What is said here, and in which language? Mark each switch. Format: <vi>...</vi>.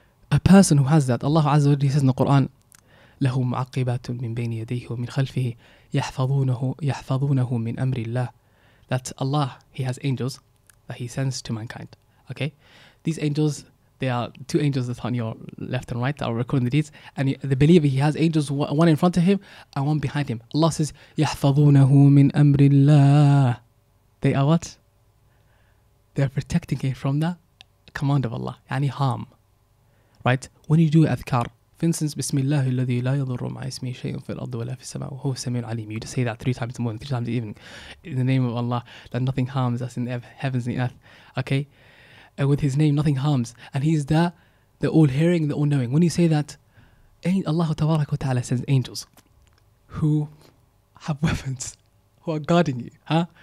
<en>A person who has that, Allah Azza wa Jalla says in the Quran,</en> <ar>له معقبات من بين يديه ومن خلفه يحفظونه من أمر الله.</ar> <en>That Allah, He has angels that He sends to mankind. Okay, these angels, they are two angels that are on your left and right that are recording the deeds. And the believer, he has angels, one in front of him and one behind him. Allah says</en> <ar>يحفظونه من أمر الله.</ar> <en>They are what? They are protecting him from the command of Allah. يعني harm, right? When you do adhkar. For instance,</en> <ar>Bismillah الذي لا يضر مع اسمه شيء في الأرض ولا في السماء وهو السميع العليم.</ar> <en>You just say that three times in the morning, three times in the evening, in the name of Allah, that nothing harms us in the heavens and the earth. Okay, with His name, nothing harms, and He's the all hearing, the all knowing. When you say that, Allah تبارك وتعالى sends angels who have weapons, who are guarding you. Huh?</en>